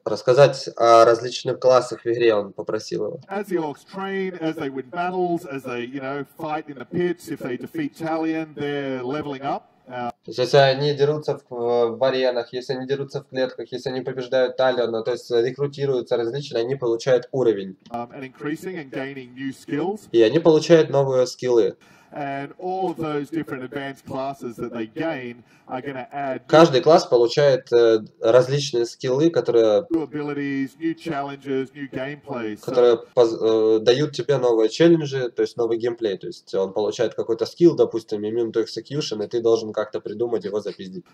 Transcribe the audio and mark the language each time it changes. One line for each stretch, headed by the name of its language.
Russian: рассказать о различных классах в игре, он попросил его.
English: As the orcs train, as they win battles, as they, you know, fight in the pits, if they defeat Talion, they're leveling up.
Russian: То есть, если они дерутся в аренах, если они дерутся в клетках, если они побеждают Талиона, то есть рекрутируются различные, они получают уровень.
English: And increasing and gaining new skills.
Russian: И они получают новые скиллы.
English: And all of those different advanced classes that they gain are going to add.
Russian: Каждый класс получает различные скиллы, которые.
English: New abilities, new challenges, new gameplay.
Russian: Которые дают тебе новые челленджи, то есть новый геймплей. То есть он получает какой-то скилл, допустим,
English: immune to execution,
Russian: и ты должен как-то придумать его запиздить.